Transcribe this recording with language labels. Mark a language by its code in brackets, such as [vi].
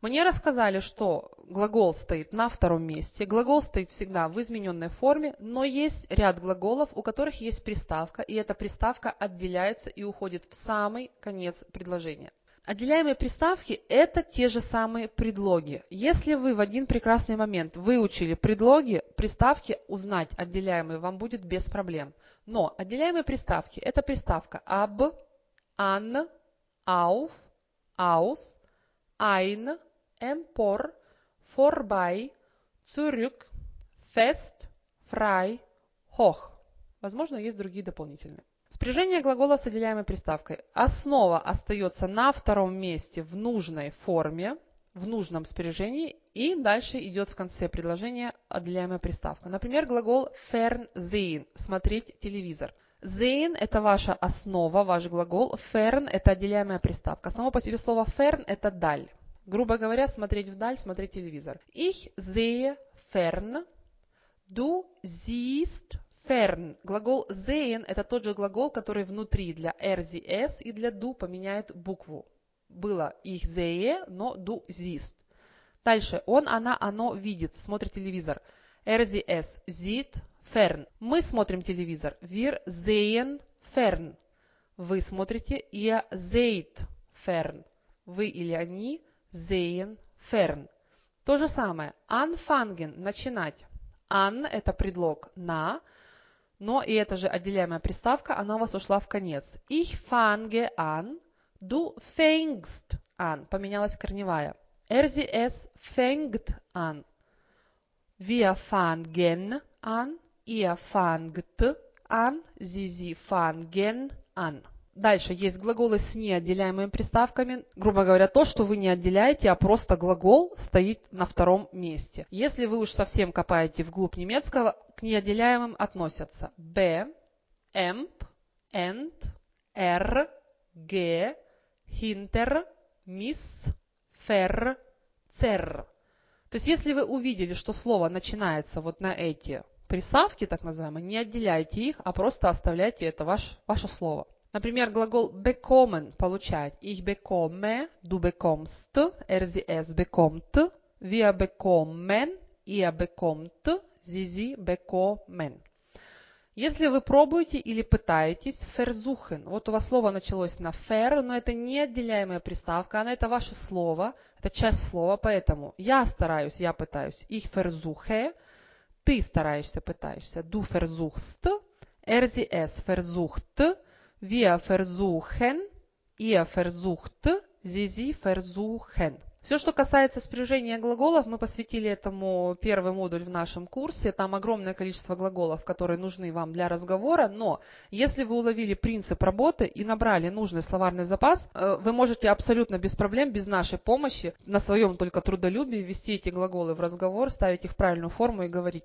[ru] Мне рассказали, что глагол стоит на втором месте, глагол стоит всегда в измененной форме, но есть ряд глаголов, у которых есть приставка, и эта приставка отделяется и уходит в самый конец предложения. Отделяемые приставки – это те же самые предлоги. Если вы в один прекрасный момент выучили предлоги, приставки узнать отделяемые вам будет без проблем. Но отделяемые приставки – это приставка [de] «ab», «an», auf, aus, ein, empor, vorbei, zurück, fest, frei, hoch. [ru] Возможно, есть другие дополнительные. Спряжение глагола с отделяемой приставкой. Основа остается на втором месте в нужной форме, в нужном спряжении, и дальше идет в конце предложения отделяемая приставка. Например, глагол fernsehen – смотреть телевизор. Sehen – это ваша основа, ваш глагол. Fern – это отделяемая приставка. Само по себе слово fern – это даль. Грубо говоря, смотреть вдаль, смотреть телевизор. [de] Ich sehe fern. Du siehst fern. [ru] Глагол sehen – это тот же глагол, который внутри для er, sie, es и для du поменяет букву. Было [de] ich sehe, [ru] но [de] du siehst. [ru] Дальше. Он, она, оно видит, смотрит телевизор. [de] Er, sie, es sieht. Fern. [ru] Мы смотрим телевизор. [de] Wir sehen fern. [ru] Вы смотрите. [de] Ihr seht fern. [ru] Вы или они [de] sehen fern. [ru] То же самое. Anfangen. Начинать. An – это предлог на. Но и это же отделяемая приставка. Она у вас ушла в конец. [de] Ich fange an. Du fängst an. [ru] Поменялась корневая. [de] Er, sie, es fängt an. Wir fangen an. [ru] Ihr fangt an, [de] sie, sie fangen an. [ru] Дальше есть глаголы с неотделяемыми приставками. Грубо говоря, то, что вы не отделяете, а просто глагол стоит на втором месте. Если вы уж совсем копаете вглубь немецкого, к неотделяемым относятся be, emp, ent, er, ge, [de] Hinter, miss, fair, cer. [ru] То есть, если вы увидели, что слово начинается вот на эти приставки, так называемые, не отделяйте их, а просто оставляйте это ваше слово. Например, глагол bekommen – получать. Ich bekomme, [de] du bekommst, er, sie, es bekommt, wir bekommen, ihr bekommt, sie, sie bekommen. [ru] Если вы пробуете или пытаетесь, versuchen. Вот у вас слово началось на fair, но это неотделяемая приставка, она это ваше слово, это часть слова, поэтому я стараюсь, я пытаюсь. [de] Ich versuche, [ru] ты стараешься, пытаешься. [de] Du versuchst, er, sie, es versucht, wir versuchen, ihr versucht, sie, sie versuchen. [ru] Все, что касается спряжения глаголов, мы посвятили этому первый модуль в нашем курсе. Там огромное количество глаголов, которые нужны вам для разговора. Но если вы уловили принцип работы и набрали нужный словарный запас, вы можете абсолютно без проблем, без нашей помощи, на своем только трудолюбии ввести эти глаголы в разговор, ставить их в правильную форму и говорить.